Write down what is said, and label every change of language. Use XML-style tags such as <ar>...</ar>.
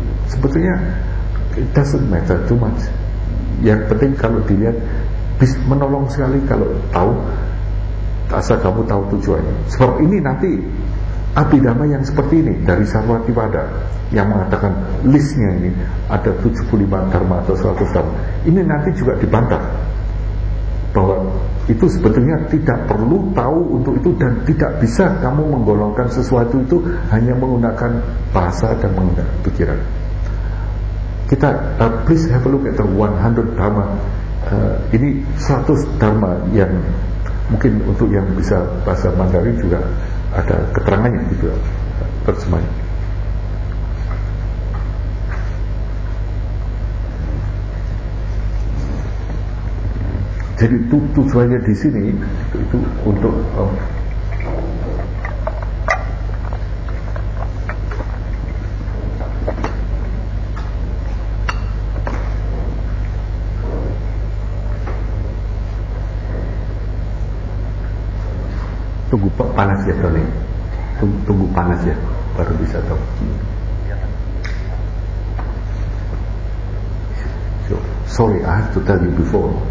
<en>Sebetulnya it doesn't matter too much.</en> <id>Yang penting kalau dilihat menolong sekali kalau tahu, asal kamu tahu tujuannya. Sebab ini nanti Abhidhamma yang seperti ini dari Sarvadivada yang mengatakan listnya ini ada 75 dharma atau 100 dharma, ini nanti juga dibantah bahwa itu sebetulnya tidak perlu tahu untuk itu, dan tidak bisa kamu menggolongkan sesuatu itu hanya menggunakan bahasa dan menggunakan pikiran.</id> <en>Kita please have a look at the 100 dharma.</en> <id>Ini 100 dharma yang mungkin untuk yang bisa bahasa Mandarin juga ada keterangannya gitu, terjemahnya. Jadi itu tujuannya di sini itu untuk tunggu panas ya Tony, tunggu panas ya baru bisa tahu.</id> <en>So, sorry, I have to tell you before.</en>